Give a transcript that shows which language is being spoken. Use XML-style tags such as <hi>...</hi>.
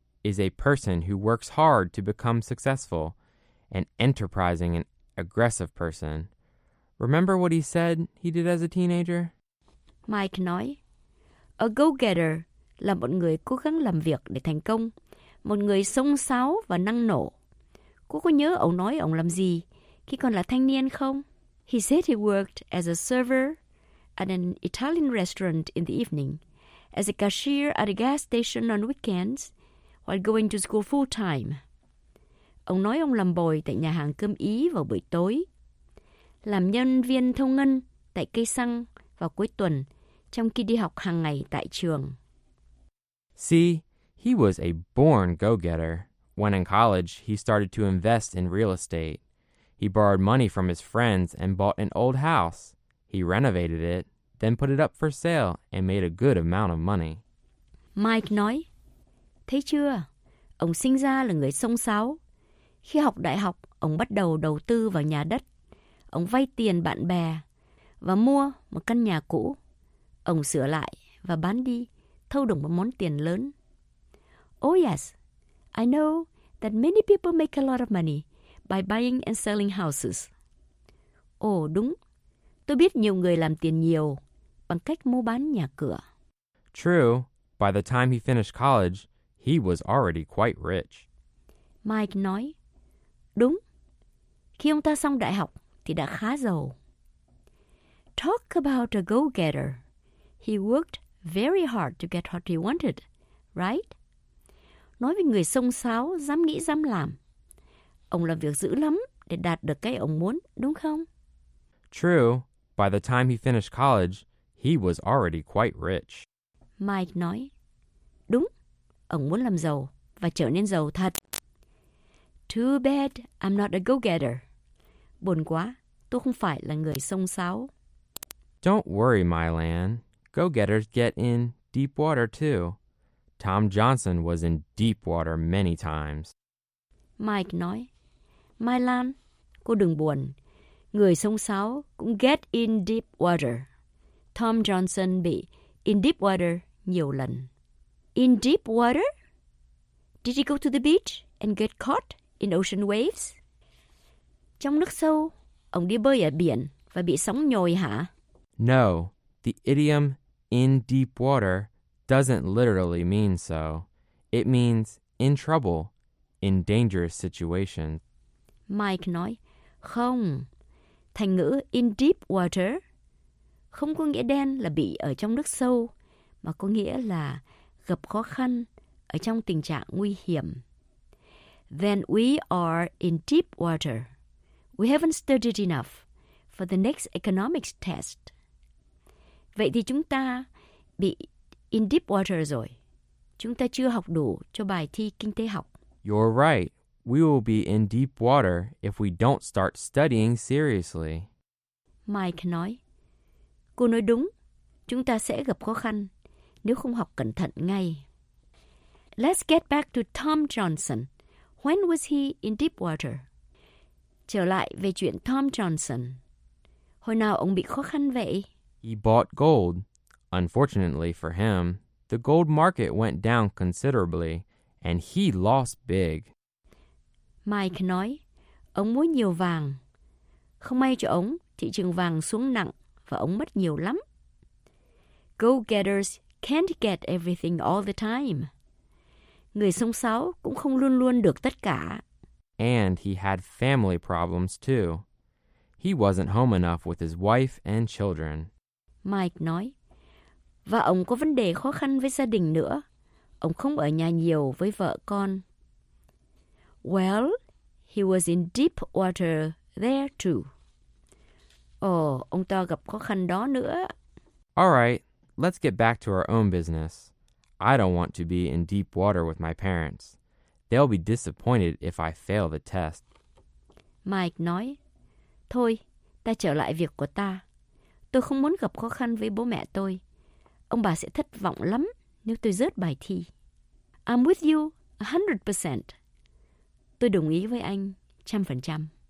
<en>is a person who works hard to become successful, an enterprising and aggressive person. Remember what he said he did as a teenager?</en> <vi>Mike nói, a go-getter là một người cố gắng làm việc để thành công, một người xông xáo và năng nổ. Cô có nhớ ông nói ông làm gì khi còn là thanh niên không?</vi> <en>He said he worked as a server at an Italian restaurant in the evening, as a cashier at a gas station on weekends, while going to school full time.</en> <vi>Ông nói ông làm bồi tại nhà hàng cơm Ý vào buổi tối, làm nhân viên thông ngân tại cây xăng vào cuối tuần, trong khi đi học hàng ngày tại trường.</vi> <en>See, he was a born go-getter. When in college, he started to invest in real estate. He borrowed money from his friends and bought an old house. He renovated it, then put it up for sale and made a good amount of money.</en> <vi>Mike nói, thấy chưa, ông sinh ra là người xông xáo. Khi học đại học, ông bắt đầu đầu tư vào nhà đất. Ông vay tiền bạn bè và mua một căn nhà cũ. Ông sửa lại và bán đi, thâu được một món tiền lớn.</vi> <en>Oh yes, I know that many people make a lot of money by buying and selling houses.</en> <vi>Oh, đúng. Tôi biết nhiều người làm tiền nhiều bằng cách mua bán nhà cửa.</vi> <en>True, by the time he finished college, he was already quite rich.</en> <vi>Mike nói, đúng. Khi ông ta xong đại học thì đã khá giàu.</vi> <en>Talk about a go-getter. He worked very hard to get what he wanted, right?</en> <vi>Nói về người xông xáo, dám nghĩ dám làm. Ông làm việc dữ lắm để đạt được cái ông muốn, đúng không?</vi> <en>True. By the time he finished college, he was already quite rich.</en> <vi>Mike nói, đúng, ông muốn làm giàu và trở nên giàu thật.</vi> <en>Too bad I'm not a go-getter.</en> <vi>Buồn quá, tôi không phải là người xông xáo.</vi> <en>Don't worry, Mylan. Go-getters get in deep water too. Tom Johnson was in deep water many times.</en> <vi>Mike nói, Mylan, cô đừng buồn. Người xông xáo cũng</vi> <en>get in deep water.</en> <vi>Tom Johnson bị</vi> <en>in deep water</en> <vi>nhiều lần.</vi> <en>In deep water? Did he go to the beach and get caught in ocean waves?</en> <vi>Trong nước sâu, ông đi bơi ở biển và bị sóng nhồi hả?</vi> <en>No, the idiom in deep water doesn't literally mean so. It means in trouble, in dangerous situations.</en> <vi>Mike nói, không. Thành ngữ</vi> <en>in deep water</en> <vi>không có nghĩa đen là bị ở trong nước sâu, mà có nghĩa là gặp khó khăn, ở trong tình trạng nguy hiểm.</vi> <en>Then we are in deep water. We haven't studied enough for the next economics test.</en> <vi>Vậy thì chúng ta bị</vi> <en>in deep water</en> <vi>rồi. Chúng ta chưa học đủ cho bài thi kinh tế học.</vi> <en>You're right. We will be in deep water if we don't start studying seriously.</en> <vi>Mike nói, cô nói đúng, chúng ta sẽ gặp khó khăn nếu không học cẩn thận ngay.</vi> <en>Let's get back to Tom Johnson. When was he in deep water?</en> <vi>Trở lại về chuyện Tom Johnson. Hồi nào ông bị khó khăn vậy?</vi> <en>He bought gold. Unfortunately for him, the gold market went down considerably and he lost big.</en> <vi>Mike nói, ông mua nhiều vàng. Không may cho ông, thị trường vàng xuống nặng và ông mất nhiều lắm.</vi> <en>Go-getters can't get everything all the time.</en> <vi>Người xông xáo cũng không luôn luôn được tất cả.</vi> <en>And he had family problems too. He wasn't home enough with his wife and children.</en> <vi>Mike nói, và ông có vấn đề khó khăn với gia đình nữa. Ông không ở nhà nhiều với vợ con.</vi> <en>Well, he was in deep water there too.</en> <vi>Oh, ông ta gặp khó khăn đó nữa.</vi> <en>All right, let's get back to our own business. I don't want to be in deep water with my parents. They'll be disappointed if I fail the test.</en> <vi>Mike nói, thôi, ta trở lại việc của ta. Tôi không muốn gặp khó khăn với bố mẹ tôi. Ông bà sẽ thất vọng lắm nếu tôi rớt bài thi.</vi> <en>I'm with you 100%.</en> <vi>Tôi đồng ý với anh 100%.</vi>